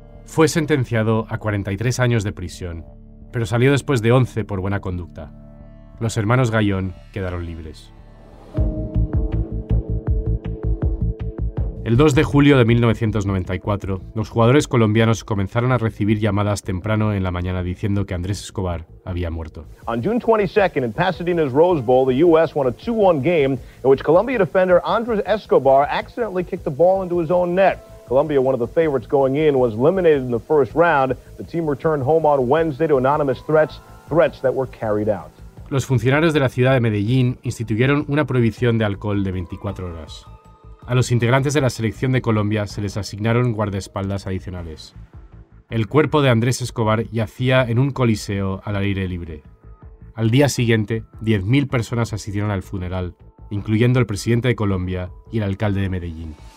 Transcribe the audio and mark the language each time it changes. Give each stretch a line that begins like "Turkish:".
Spanish: Fue sentenciado a 43 años de prisión, pero salió después de 11 por buena conducta. Los hermanos Gallón quedaron libres. El 2 de julio de 1994, los jugadores colombianos comenzaron a recibir llamadas temprano en la mañana diciendo que Andrés Escobar había muerto.
English: On June 22nd, in Pasadena's Rose Bowl, the U.S. won a 2-1 game in which Colombia defender Andrés Escobar accidentally kicked the ball into his own net. Colombia, one of the favorites going in, was eliminated in the first round. The team returned home on Wednesday to anonymous threats that were carried out.
Spanish: Los funcionarios de la ciudad de Medellín instituyeron una prohibición de alcohol de 24 horas. A los integrantes de la selección de Colombia se les asignaron guardaespaldas adicionales. El cuerpo de Andrés Escobar yacía en un coliseo al aire libre. Al día siguiente, 10.000 personas asistieron al funeral, incluyendo el presidente de Colombia y el alcalde de Medellín.